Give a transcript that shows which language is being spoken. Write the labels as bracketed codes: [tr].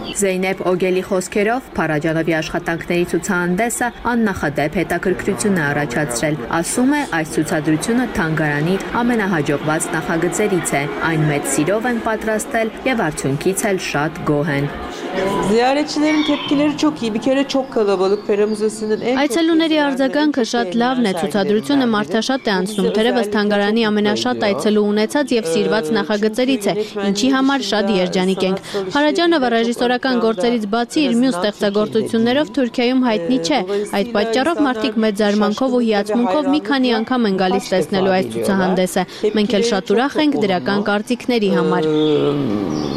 [hy] Զեյնեբ Օգելի խոսքերով Փարաջանովի աշխատանքների ցուցահանդեսը աննախադեպ հետաքրքրություն է առաջացրել։ Ասում է, այս ցուցադրությունը թանգարանի ամենահաջողված նախագծերից է։ Այն մեծ սիրով են պատրաստել եւ արդյունքից էլ շատ գոհ են։ [tr] Ziyaretçilerin tepkileri çok iyi. Bir kere çok kalabalık. Peramüzesi'nin en [hy] Այցելուների արձագանքը շատ լավն է։ Ցուցադրությունը մարդաշատ է անցնում, թերևս թանգարանի ամենաշատ այցելու ունեցած եւ սիրված նախագծերից է, ինչի համար շատ երջանիկ ենք։ Փարաջանովը ռեժիսորական գործերից բացի իր մյուս ստեղծագործություններով Թուրքիայում հայտնի չէ։ Այդ պատճառով մարդիկ մեծ զարմանքով ու հիացմունքով մի քանի անգամ են գալիս տեսնելու այս ցուցահանդեսը։ Մենք էլ շատ ուրախ ենք դրական կարծիքների համար։